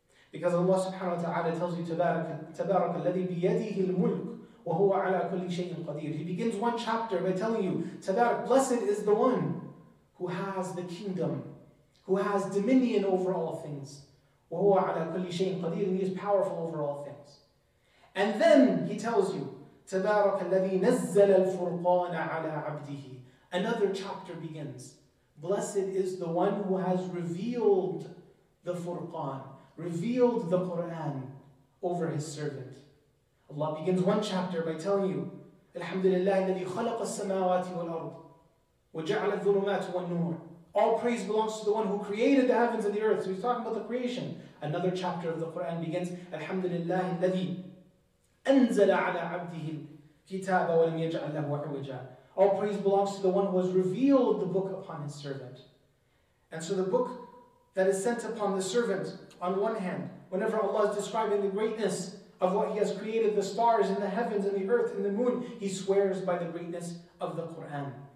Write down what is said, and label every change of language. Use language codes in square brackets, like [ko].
[en] Because Allah subhanahu wa ta'ala tells you, [ar] تَبَارَكَ الَّذِي بِيَدِهِ الْمُلْكُ وَهُوَ عَلَىٰ كُلِّ شَيْءٍ قَدِيرٌ. [en] He begins one chapter by telling you, تَبَارَكَ, blessed is the one who has the kingdom, who has dominion over all things. [ar] وَهُوَ عَلَىٰ كُلِّ شَيْءٍ قَدِيرٌ. [en] He is powerful over all things. And then he tells you, [ar] تبارك الذي نزل الفرقان على عبده. [en] Another chapter begins. Blessed is the one who has revealed the Furqan, revealed the Quran over his servant. Allah begins one chapter by telling you, [ar] الحمد لله الذي خلق السماوات والأرض وجعل الظلمات والنور. [en] All praise belongs to the one who created the heavens and the earth. So he's talking about the creation. Another chapter of the Quran begins, [ar] الحمد لله الذي أنزل على عبده الكتاب ولم يجعل له عوجا. [en] All praise belongs to the one who has revealed the book upon his servant. And so the book that is sent upon the servant, on one hand, whenever Allah is describing the greatness of what He has created, the stars and the heavens and the earth and the moon, He swears by the greatness of the Qur'an.